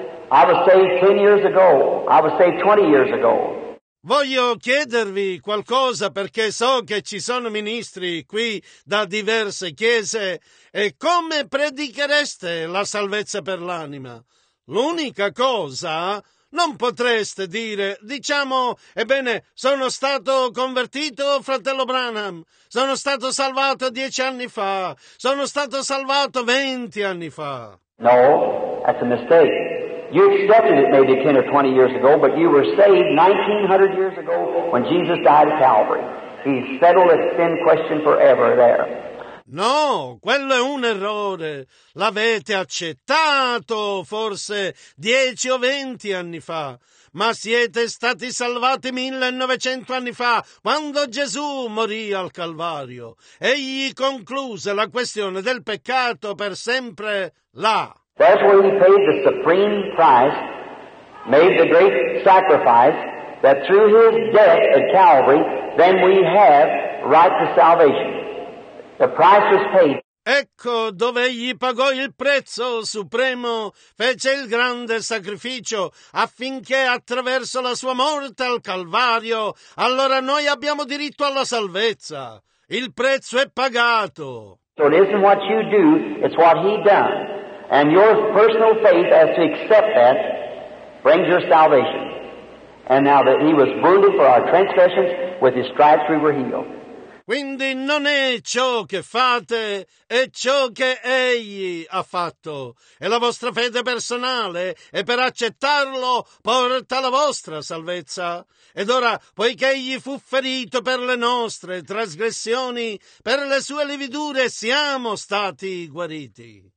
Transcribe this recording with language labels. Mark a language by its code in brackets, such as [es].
[en] I was saved 10 years ago. I was saved 20 years ago. [it] Voglio chiedervi qualcosa perché so che ci sono ministri qui da diverse chiese. E come predichereste la salvezza per l'anima? L'unica cosa, non potreste dire, diciamo, ebbene, sono stato convertito, fratello Branham, sono stato salvato 10 anni fa, sono stato salvato 20 anni fa. [en] No, that's a mistake. You accepted it maybe 10 or 20 years ago, but you were saved 1900 years ago when Jesus died at Calvary. He settled a sin question forever there. [it] No, quello è un errore. L'avete accettato forse 10 o 20 anni fa, ma siete stati salvati 1900 anni fa quando Gesù morì al Calvario. Egli concluse la questione del peccato per sempre là. [en] That's when he paid the supreme price, made the great sacrifice, that through his death at Calvary, then we have right to salvation. The price was paid. [it] Ecco dove egli pagò il prezzo supremo, fece il grande sacrificio, affinché attraverso la sua morte al Calvario, allora noi abbiamo diritto alla salvezza. Il prezzo è pagato. [en] So it isn't what you do, it's what he done. And your personal faith as to accept that brings your salvation. And now that he was wounded for our transgressions, with his stripes we were healed. [it] Quindi non è ciò che fate, è ciò che egli ha fatto. E la vostra fede personale, e per accettarlo, porta la vostra salvezza. Ed ora, poiché egli fu ferito per le nostre trasgressioni, per le sue lividure siamo stati guariti.